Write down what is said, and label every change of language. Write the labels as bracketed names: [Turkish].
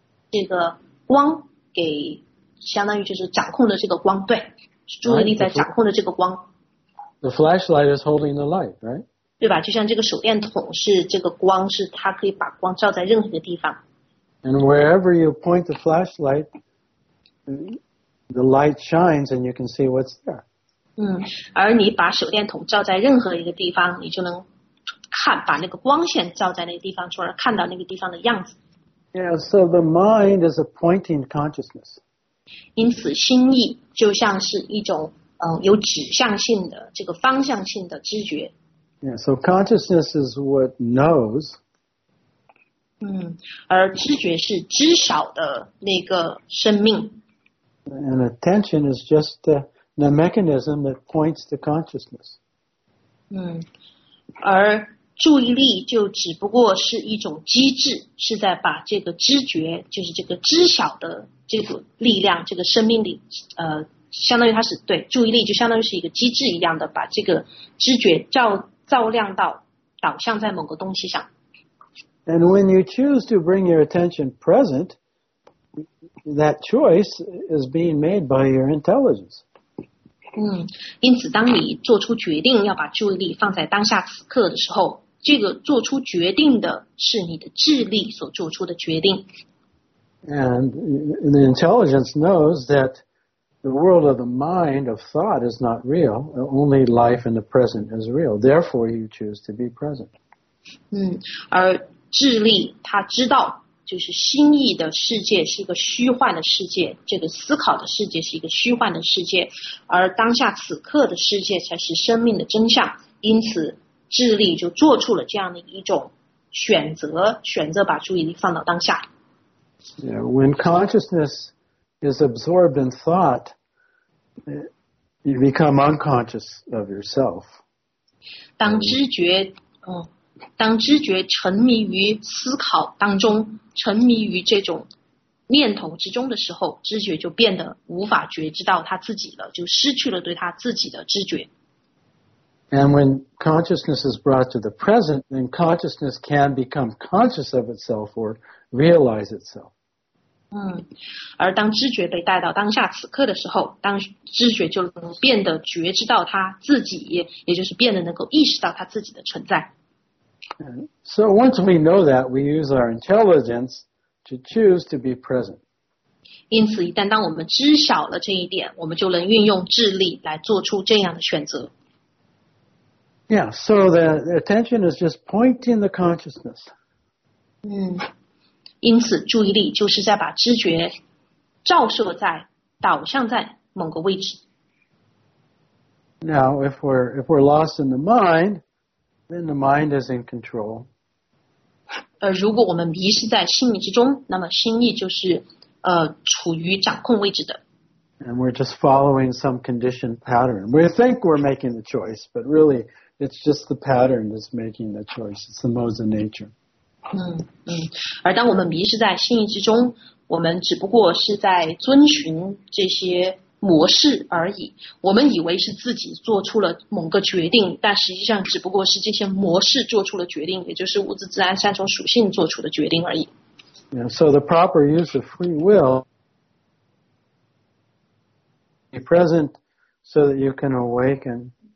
[Chinese] 这个光给相当于就是掌控的这个光，对，注意力在掌控的这个光。 [English] The flashlight is holding the light, right? [Chinese] 对吧？就像这个手电筒是这个光，是它可以把光照在任何的地方。 [English] And wherever you point the flashlight, the light shines and you can see what's there. [Chinese] 而你把手电筒照在任何一个地方，你就能看，把那个光线照在那个地方，从而看到那个地方的样子。 [English] Yeah, so the mind is a pointing consciousness. [Chinese] 因此心意就像是一种有指向性的这个方向性的知觉。 [English] Yeah, so consciousness is what knows. [Chinese] 而知觉是知晓的那个生命。 [English] And attention is just the mechanism that points to consciousness. [Chinese] 而注意力就只不过是一种机制，是在把这个知觉，就是这个知晓的这个力量，这个生命力，相当于它是对注意力，就相当于是一个机制一样的，把这个知觉照亮到导向在某个东西上。 [English] And when you choose to bring your attention present, that choice is being made by your intelligence. [Chinese] 因此当你做出决定要把注意力放在当下此刻的时候，这个做出决定的是你的智力所做出的决定。 [English] And the intelligence knows that the world of the mind of thought is not real, only life in the present is real. Therefore, you choose to be present. [Chinese] 而智力他知道，就是心意的世界是一个虚幻的世界，这个思考的世界是一个虚幻的世界，而当下此刻的世界才是生命的真相。因此，智利就做出了这样的一种选择，选择把注意力放到当下。 [English] Yeah, when consciousness is absorbed in thought, you become unconscious of yourself. [Chinese] 当知觉，当知觉沉迷于思考当中，沉迷于这种念头之中的时候，知觉就变得无法觉知到他自己了，就失去了对他自己的知觉。 [English] And when consciousness is brought to the present, then consciousness can become conscious of itself or realize itself. [Chinese] 而当知觉被带到当下此刻的时候，当知觉就能变得觉知到他自己，也就是变得能够意识到他自己的存在。 [English] So once we know that, we use our intelligence to choose to be present. [Chinese] 因此一旦当我们知晓了这一点，我们就能运用智力来做出这样的选择。 [English] Yeah, so the attention is just pointing the consciousness. [Chinese] 因此注意力就是在把知觉照射在，导向在某个位置。 [English] Now, if we're lost in the mind, then the mind is in control. [Chinese] 如果我们迷失在心意之中，那么心意就是处于掌控位置的。 [English] And we're just following some conditioned pattern. We think we're making the choice, but really... It's just the pattern that's making the choice. It's the modes of nature. [Chinese] 而当我们迷失在心意之中，我们只不过是在遵循这些模式而已。我们以为是自己做出了某个决定，但实际上只不过是这些模式做出了决定，也就是物质自然三种属性做出的决定而已。 [English] So the proper use of free will be present so that you can awaken.